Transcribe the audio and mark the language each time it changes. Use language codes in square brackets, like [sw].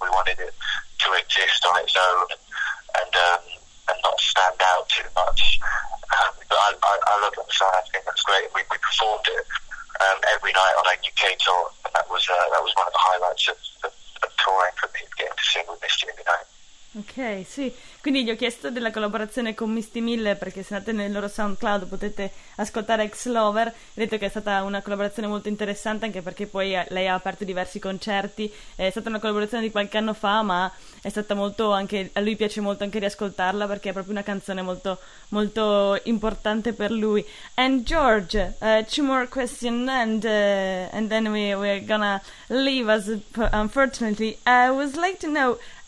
[en] We wanted it to exist on its own and not stand out too much. But I love that song. I think that's great. We performed it every night on our UK tour, and that was one of the highlights of touring, for me, getting to sing with Misty every night. [it] Ok, sì, quindi gli ho chiesto della collaborazione con Misty Miller perché se andate nel loro SoundCloud potete ascoltare Ex Lover. Ho detto che è stata una collaborazione molto interessante anche perché poi lei ha aperto diversi concerti. È stata una collaborazione di qualche anno fa, ma è stata molto anche, a lui piace molto anche riascoltarla perché è proprio una canzone molto, molto importante per lui. [en] And George, two more questions and then we're gonna leave us, unfortunately. I would like to know.